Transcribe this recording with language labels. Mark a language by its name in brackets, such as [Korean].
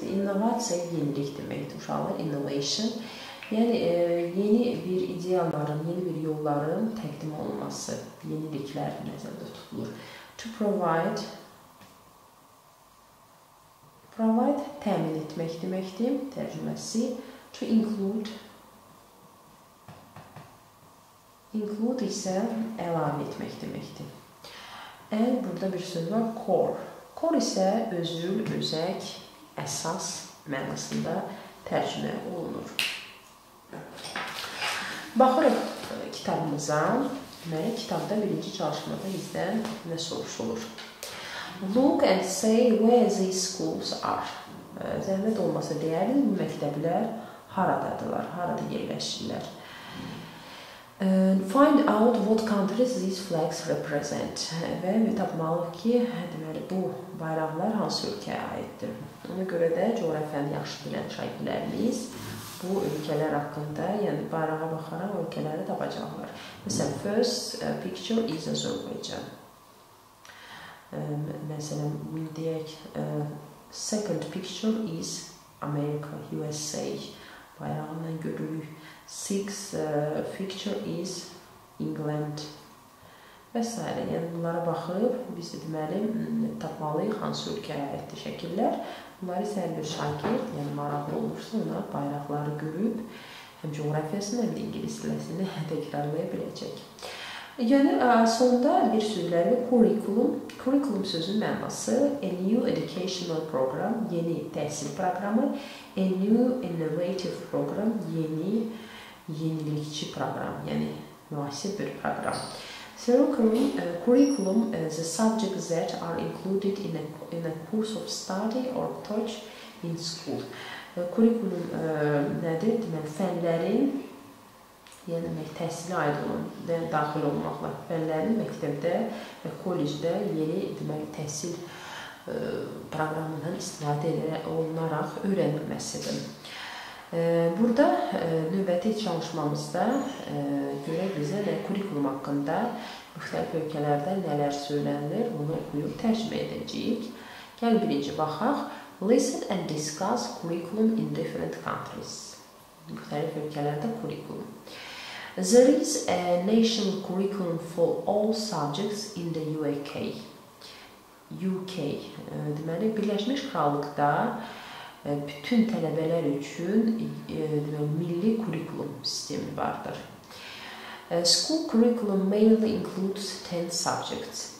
[Azerbaijani] İnnovasiya, yenilik deməkdir uşaqlar, innovation. Yəni, yeni bir ideyaların, yeni bir yolların təqdim olunması, yeniliklər nəzərdə tutulur. [English] To provide... [Azerbaijani] Provide, təmin etmək deməkdir, tərcüməsi. [English] To include [Azerbaijani] isə əlavə etmək deməkdir. Ən burada bir söz var, core. Core isə özül, özək, əsas mənasında tərcümə olunur. Baxırıq kitabımıza. Deməli, kitabda birinci çalışmada bizdən nə soruşulur? [English] Look and say where these schools are. [Azerbaijani] Zəhmət olmasa deyərdim, bu məktəblər haradadırlar, harada yerləşirlər. [English] Find out what countries these flags represent. [Azerbaijani] Və tapmalıq ki, deməli, bu bayraqlar hansı ölkəyə aiddir. Ona görə də coğrafiyanı yaxşı bilən şagirdlərimiz bu ölkələr haqqında, yəni bayrağa baxaraq ölkələri tapacaqlar. [English] Məsələn, first picture is Azerbaijan. [Azerbaijani] Məsələn, deyək, [English] second picture is America, USA. [Azerbaijani] Bayrağından görürük. [English] Sixth picture is England. [Azerbaijani] Və s. Yəni, bunlara baxıb, biz deməli, tapmalıyıq hansı ölkəyə aiddir şəkillər. Bunları isə bir şagird, yəni maraqlı olursa, ona bayraqları görüb, həm coğrafiyasını, həm də ingilis diləsini təkrarlaya biləcək. Yəni, sonda bir sözləri curriculum. Curriculum sözünün mənası [English] a new educational program, [Azerbaijani] yeni təhsil proqramı, [English] a new innovative program, [Azerbaijani] yeni yenilikçi proqram, yəni müasir bir proqram. [English] So, curriculum is the subject that are included in a course of study or teach in school. [Azerbaijani] Curriculum nədir? Deməli, fənlərin, yəni təhsilə aid olan, daxil olmaqla fənlərin məktəbdə və kollecdə yeni deməli, təhsil proqramından istifadə olunaraq öyrənilməsidir. Burada növbəti çalışmamızda görək bizə də kurikulum haqqında müxtəlif ölkələrdə nələr söylənilir, bunu oxuyub tərcümə edəcəyik. Gəl birinci baxaq. [English] Listen and discuss curriculum in different countries. [Azerbaijani] Müxtəlif ölkələrdə kurikulum. [English] There is a national curriculum for all subjects in the UK. UK. [Azerbaijani] Deməli, Birləşmiş Krallıqda bütün tələbələr üçün milli kurikulum sistemi vardır. [English] School curriculum mainly includes 10 subjects.